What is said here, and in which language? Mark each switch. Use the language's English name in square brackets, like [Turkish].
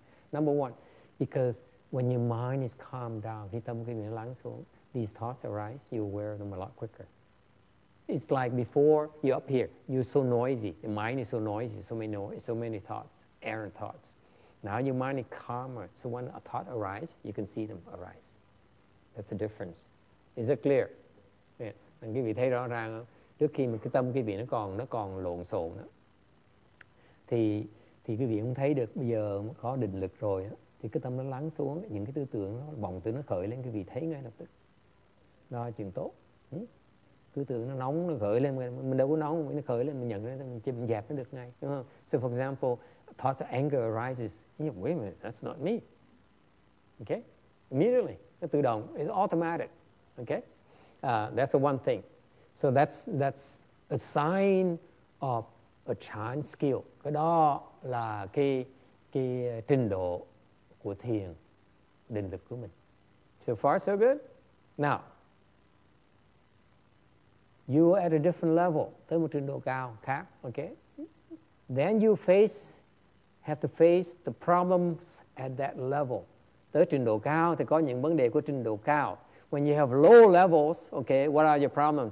[English] Number one, because when your mind is calmed down, [Vietnamese] khi tâm mình lắng xuống, [English] these thoughts arise, you're aware of them a lot quicker. It's like before, you're up here, you're so noisy, your mind is so noisy, so many thoughts, errant thoughts. Now your mind is calmer, so when a thought arises, you can see them arise. That's the difference. Is it clear? Yeah. Give you [Vietnamese] thấy rõ ràng không? Trước khi mà cái tâm quý vị nó còn lộn xộn đó, thì quý vị không thấy được. Bây giờ có định lực rồi đó, thì cái tâm nó lắng xuống, những cái tư tưởng nó bồng tư nó khởi lên, quý vị thấy ngay lập tức. Đó là chuyện tốt. cứ tưởng nó nóng, nó khởi lên, mình đâu có nóng, nó khởi lên, mình nhận nó, mình dẹp nó được ngay, đúng không? [English] So for example, thoughts of anger arises. Yeah, wait a minute, that's not me. Okay? Immediately, [Vietnamese] nó tự động, [English] it's automatic. Okay? That's the one thing. So that's a sign of a chan skill. [Vietnamese] Cái đó là cái trình độ của thiền, định lực của mình. [English] So far, so good. Now, you are at a different level, [Vietnamese] tới một trình độ cao khác, [English] okay? Then you have to face the problems at that level. [Vietnamese] Tới trình độ cao thì có những vấn đề của trình độ cao. [English] When you have low levels, okay, what are your problems?